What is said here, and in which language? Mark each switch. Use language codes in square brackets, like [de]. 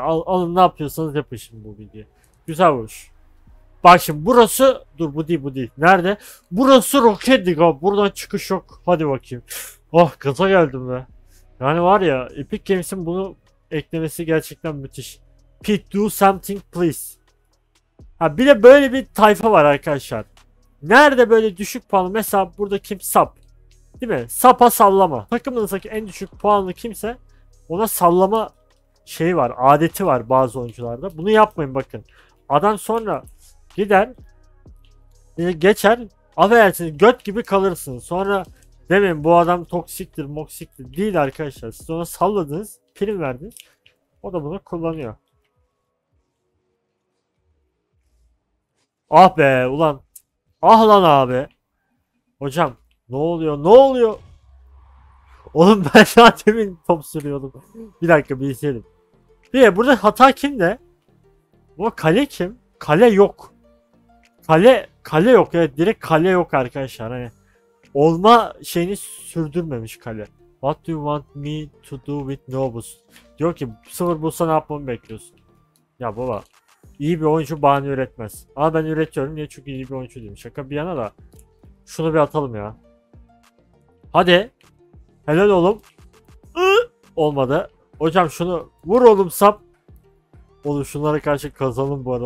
[tr] Alın ne yapıyorsanız yapın şimdi bu bilgi. Güzel olmuş. Bak şimdi burası, dur bu değil, bu değil. Nerede? Burası roketti abi. Buradan çıkış yok. Hadi bakayım. Oh, gaza geldim be. Yani var ya, Epic Games'in bunu eklemesi gerçekten müthiş. [en] Pete, do something please. [tr] Ha bir de böyle bir tayfa var arkadaşlar. Nerede böyle düşük puanlı? Mesela burada kim? Sap. Değil mi? Sapa sallama. Takımınızdaki en düşük puanlı kimse, ona sallama şeyi var, adeti var bazı oyuncularda. Bunu yapmayın bakın. Adam sonra gider, geçer, affedersiniz, göt gibi kalırsınız. Sonra demeyin bu adam toksiktir, moksiktir. Değil arkadaşlar. Siz ona salladınız, prim verdiniz. O da bunu kullanıyor. Ah be ulan. Ah lan abi. Hocam ne oluyor? Ne oluyor? Oğlum ben zaten top sürüyordum. Bir dakika, bir izleyelim. Diye burada hata kimde? Bu kale kim? Kale yok. Kale yok ya. Evet, direkt kale yok arkadaşlar. Hani olma şeyini sürdürmemiş kale. [en] What do you want me to do with Nobus? [tr] Diyor ki sıfır bulsa ne yapmamı bekliyorsun? Ya baba. İyi bir oyuncu bahane üretmez. Ama ben üretiyorum. Niye? Çünkü iyi bir oyuncu değilim. Şaka bir yana da. Şunu bir atalım ya. Hadi. Helal oğlum. Olmadı. Hocam şunu vur oğlum sap. Oğlum şunlara karşı kazanın bu arada.